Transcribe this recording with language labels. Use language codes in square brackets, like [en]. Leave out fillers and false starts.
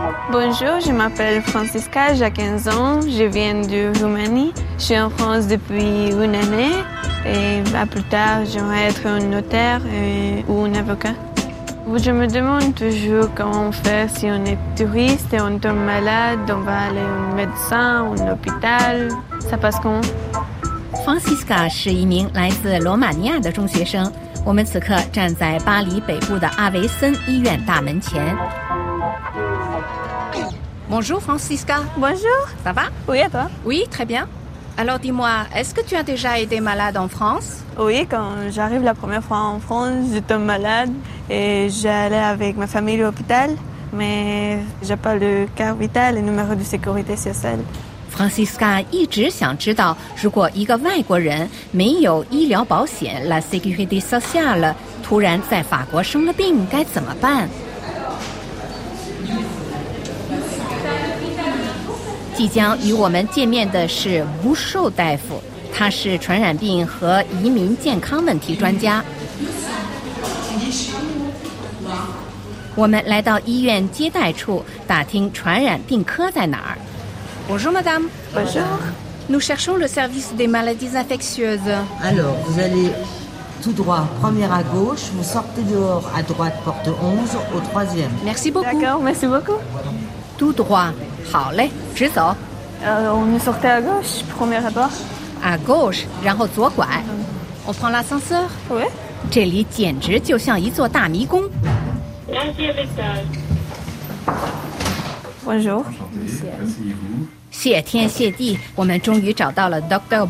[fr] Bonjour, je m'appelle Francisca, j'ai 15 ans, je viens de Roumanie, je suis en France depuis une année et bah, plus tard j'aimerais être un notaire ou un avocat. Je me demande toujours comment faire si on est touriste et on tombe malade, on va aller au médecin, à l'hôpital, ça passe comment? [zh] Francisca 是一名来自罗马尼亚的中学生，我们此刻站在巴黎北部的阿维森医院大门前。 [fr] Bonjour Francisca. Bonjour. Ça va? Oui, et toi? Oui, très bien. Alors dis-moi, est-ce que tu as déjà été malade en France? Oui, quand j'arrive la première fois en France, je tombe malade. Et j'allais avec ma famille à l'hôpital, mais j'ai pas le carte vitale et numéro de sécurité sociale. [zh] Francisca 一直想知道，如果一个外国人没有医疗保险 [fr] la sécurité sociale， [zh] 突然在法国生了病该怎么办？即将与我们见面的是 Bouchot 大夫，他是传染病和移民健康问题专家。我们来到医院接待处打听传染病科在哪儿。 [fr] Bonjour, madame. Bonjour. Nous cherchons le service des maladies infectieuses. Alors, vous allez tout droit, première à gauche, vous sortez dehors à droite, porte 11, au troisième. Merci beaucoup. D'accord, merci beaucoup. Tout droit. [zh] 好嘞，直走。 [fr] On est sorti à gauche, première à droite. À gauche, [zh] 然后左拐。 [fr] On prend l'ascenseur. Oui. [zh] 这里简直就像一座大迷宫。 [fr] Bonjour. [zh] 谢天谢地，我们终于找到了 Dr.